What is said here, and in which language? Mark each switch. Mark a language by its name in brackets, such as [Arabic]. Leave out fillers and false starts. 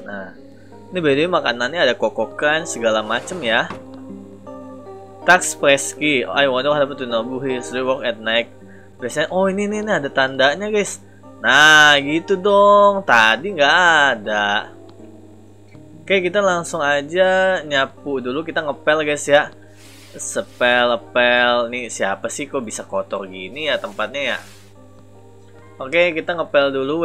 [Indonesian] Nah, ini beda makanannya, ada kokokan segala macem ya. Tax press key. [English] Oh, I wonder what happened to Nobu. He usually work at night. [Indonesian] Biasanya, oh ini ada tandanya guys. Nah gitu dong, tadi nggak ada. Oke, kita langsung aja nyapu dulu. Kita ngepel guys ya. Sepel-pel. Nih siapa sih kok bisa kotor gini ya tempatnya ya. Oke, kita ngepel dulu.